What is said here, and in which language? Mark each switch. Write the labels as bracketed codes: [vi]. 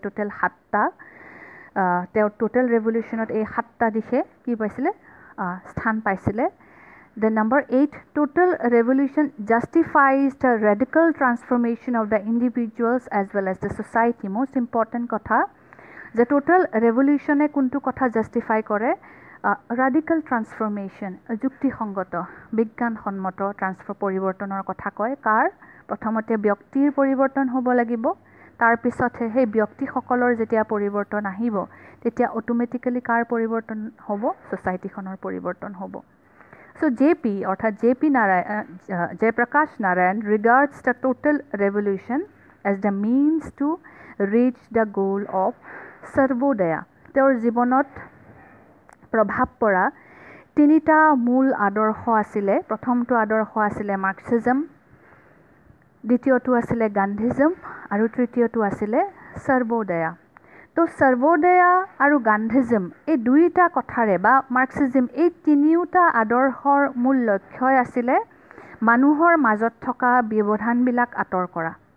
[as] Total সাতটা, তেওঁ total ৰেভলিউশ্যনত এই সাতটা দিশে কি পাইছিলে, স্থান পাইছিলে। [en] Then number eight, total revolution justifies the radical transformation of the individuals as well as the society. [as] Most important কথা যে টোটেল ৰেভলিউশ্যনে কোনটো কথা জাষ্টিফাই কৰে, ৰেডিকেল ট্ৰান্সফৰ্মেশ্যন, যুক্তিসংগত, বিজ্ঞানসন্মত ট্ৰান্সফৰ পৰিৱৰ্তনৰ কথা কয়। কাৰ? প্ৰথমতে ব্যক্তিৰ পৰিৱৰ্তন হ'ব লাগিব, তাৰপিছতহে সেই ব্যক্তিসকলৰ যেতিয়া পৰিৱৰ্তন আহিব, তেতিয়া অট'মেটিকেলি কাৰ পৰিৱৰ্তন হ'ব, ছ'চাইটিখনৰ পৰিৱৰ্তন হ'ব। [en] So JP, অর্থাৎ JP Narayan, Jayaprakash Narayan, regards the total revolution as the means to reach the goal of Sarvodaya. [as] তেওঁৰ জীৱনত প্ৰভাৱ পৰা তিনিটা মূল আদৰ্শ আছিলে। প্ৰথমটো আদৰ্শ আছিলে মাৰ্কচিজম, দ্বিতীয়টো আছিলে গান্ধিজম, আৰু তৃতীয়টো আছিলে সর্বোদয়া। তো সর্বোদয়া আৰু গান্ধিজম, এই দুইটা কথাৰে বা মাৰ্কচিজম, এই তিনিওটা আদৰ্শৰ মূল লক্ষ্যই আছিলে মানুহৰ মাজত থকা ব্যৱধানবিলাক আঁতৰ কৰা।